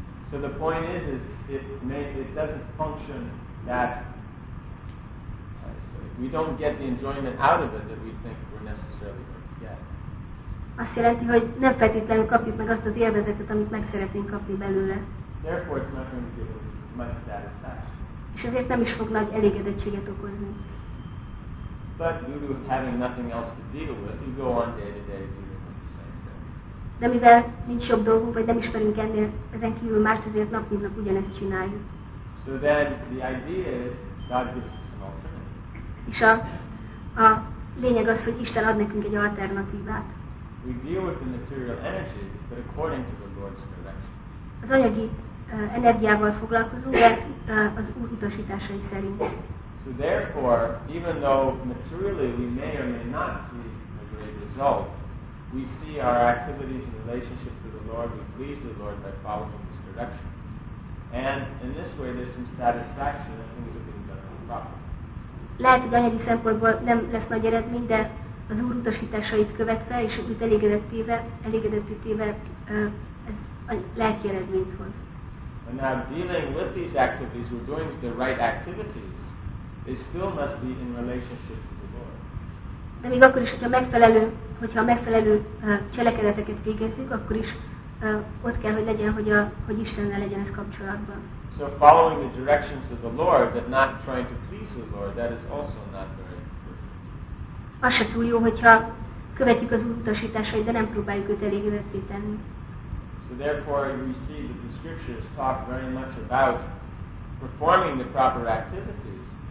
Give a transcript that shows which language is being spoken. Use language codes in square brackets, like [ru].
[en] So the point is it doesn't function that we don't get the enjoyment out of it that we think we're necessarily going to get. [hu] Azt jelenti, hogy nem feltétlenül kapjuk meg azt az élvezetet, amit meg szeretnénk kapni belőle. [en] Therefore it's not going to give much satisfaction. [hu] És ezért nem is fog nagy elégedettséget okozni. [en] But due to having nothing else to deal with, you go on day to day doing the same thing. [hu] De mivel nincs jobb dolgunk, vagy nem ismerünk ennél, ezen kívül más, ezért nap mint nap ugyanezt csináljuk. [en] So then the idea is, God gives us an alternative. [hu] És a lényeg az, hogy Isten ad nekünk egy alternatívát. [en] We deal with the material energy, but according to the Lord's direction. [hu] Az anyagi energiával foglalkozunk, de az Úr utasításai szerint. [en] So therefore, even though materially we may or may not see a great result, we see our activities in relationship to the Lord, we please the Lord by following His direction. And in this way there's some satisfaction that things have been done properly. [hu] Lehet, hogy anyagi szempontból nem lesz nagy eredmény, de az Úr utasításait követve és úgy elégedettével ez lelki eredményt hoz. [en] And now dealing with these activities, we're doing the right activities. They still must be in relationship to the Lord. [hu] De még akkor is, hogyha megfelelő cselekedeteket végezzük, akkor is ott kell, hogy legyen, hogy Istennel legyen ez kapcsolatban. [en] So following the directions of the Lord, but not trying to please the Lord, that is also not very good. [hu] Az se túl jó, hogyha követjük az Úr utasításait, de nem próbáljuk őt elégedetté tenni. [en] So therefore we see that the scriptures talk very much about performing the proper activities,